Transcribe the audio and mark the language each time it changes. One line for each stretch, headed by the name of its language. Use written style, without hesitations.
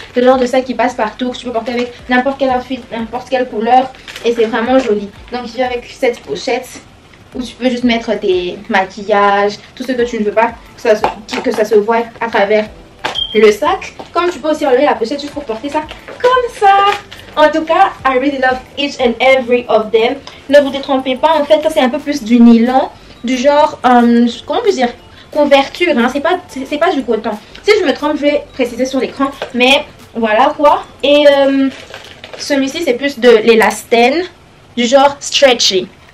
French: Le genre de sac qui passe partout, que tu peux porter avec n'importe quel outfit, n'importe quelle couleur. Et c'est vraiment joli. Donc il vient avec cette pochette où tu peux juste mettre tes maquillages, tout ce que tu ne veux pas que ça se voit à travers le sac. Comme tu peux aussi enlever la pochette juste pour porter ça comme ça. En tout cas,
English: I really love each and every of them.
French: Ne vous détrompez pas, en fait ça c'est un peu plus du nylon, du genre, comment puis dire, couverture, hein. c'est pas du coton. Si je me trompe, je vais préciser sur l'écran, mais voilà quoi. Et celui-ci c'est plus de l'élastène, du genre stretchy.